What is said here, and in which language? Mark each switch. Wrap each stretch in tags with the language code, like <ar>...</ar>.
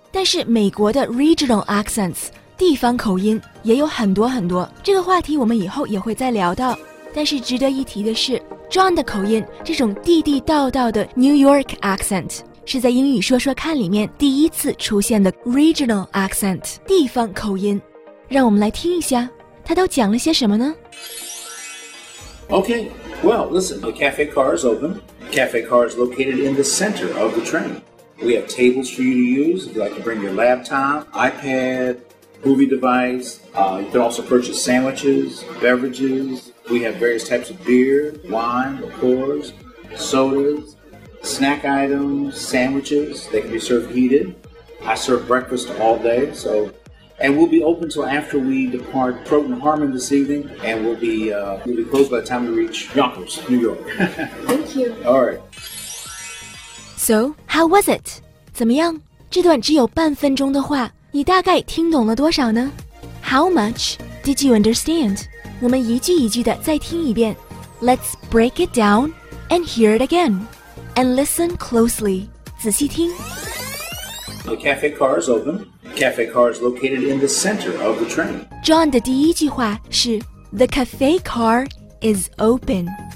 <zh>但是美国的</zh> <en>regional accents，</en> <zh>地方口音也有很多很多，这个话题我们以后也会再聊到。但是值得一提的是， John 的口音这种地地道道的</zh> <en>New York accent</en> <zh>是在英语说说看里面第一次出现的</zh> <en>regional accent，</en> <zh>地方口音。让我们来听一下他都讲了些什么呢。</zh> <en>OK， well listen， the cafe car is open， the cafe car is located in the center of the train， we have tables for you to use if you'd like to bring your laptop， iPad， movie device、you can also purchase sandwiches， beverages， we have various types of beer， wine， liqueurs， sodasnack items, sandwiches, they can be served heated. I serve breakfast all day, so... And we'll be open until after we depart Croton Harmon this evening, and we'll be closed by the time we reach Yonkers, New York. Thank you. All right. So, how was it?</en> <zh>怎么样？这段只有半分钟的话，你大概听懂了多少呢？</zh> <en>How much did you understand?</en> <zh>我们一句一句的再听一遍。</zh> <en>Let's break it down and hear it again. And listen closely.</en> <zh>仔细听。</zh> <en>The cafe car is open. The cafe car is located in the center of the train. John</en> <zh>的第一句话是</zh> <en>The cafe car is open.</en>